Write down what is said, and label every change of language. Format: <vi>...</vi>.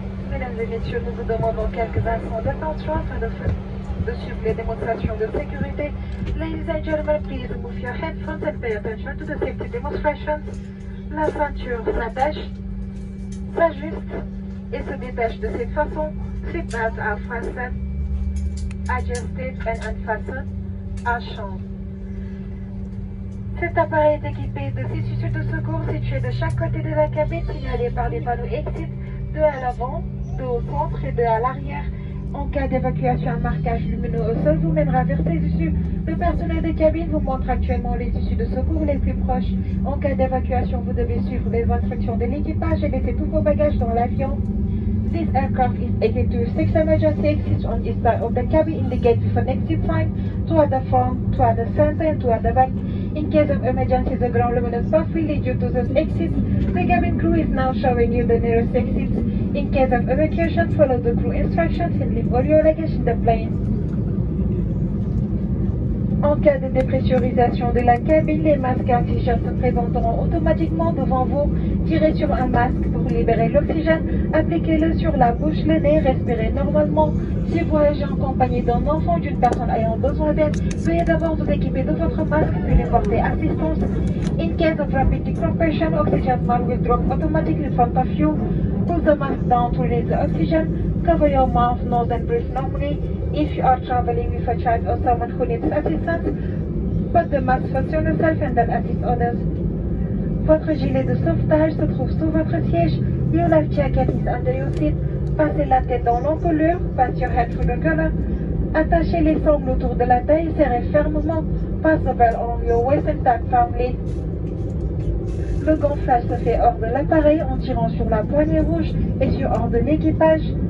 <fr>Mesdames et messieurs, nous vous demandons quelques instants d'attention afin de suivre les démonstrations de sécurité.</fr> <en>Ladies and gentlemen, please move your headphones and pay attention to the safety demonstrations.</en> <fr>La ceinture s'attache, s'ajuste et se détache de cette façon.</fr> <en>Seat belts are fastened, adjusted and unfastened, arching.</en> <fr>Cet appareil est équipé de 6 issues de secours situées de chaque côté de la cabine, signalées par les panneaux exit, 2 à l'avant, 2 au centre et 2 à l'arrière. En cas d'évacuation, un marquage lumineux au sol vous mènera vers ces issues. Le personnel de cabine vous montre actuellement les issues de secours les plus proches. En cas d'évacuation, vous devez suivre les instructions de l'équipage et laisser tous vos bagages dans l'avion.</fr> <en>This aircraft is able to 6 emergency exits on each side of the cabin, indicate with an exit sign, 2 at the front, 2 at the center and 2 at the back. In case of emergency, the ground luminous path will lead you to those exits. The cabin crew is now showing you the nearest exits. In case of evacuation, follow the crew instructions and leave all your luggage in the plane.</en> <fr>En cas de dépressurisation de la cabine, les masques à oxygène se présenteront automatiquement devant vous. Tirez sur un masque pour libérer l'oxygène. Appliquez-le sur la bouche, le nez, respirez normalement. Si vous voyagez en compagnie d'un enfant ou d'une personne ayant besoin d'aide, veuillez d'abord vous équiper de votre masque puis lui porter assistance.</fr> <en>In case of rapid decompression, oxygen mask will drop automatically in front of you. Pull the mask down to release the oxygen. Cover your mouth, nose and breathe normally. If you are traveling with a child or someone who needs assistance, put the mask first on yourself and then assist others.</en> <fr>Votre gilet de sauvetage se trouve sous votre siège.</fr> <en>Your life jacket is under your seat.</en> <fr>Passez la tête dans l'encolure.</fr> <en>Pass your head through the collar.</en> <fr>Attachez les sangles autour de la taille. Serrez fermement.</fr> <en>Pass the belt around your waist and tuck firmly.</en> <fr>Le gonflage se fait hors de l'appareil en tirant sur la poignée rouge et sur hors de l'équipage.</fr>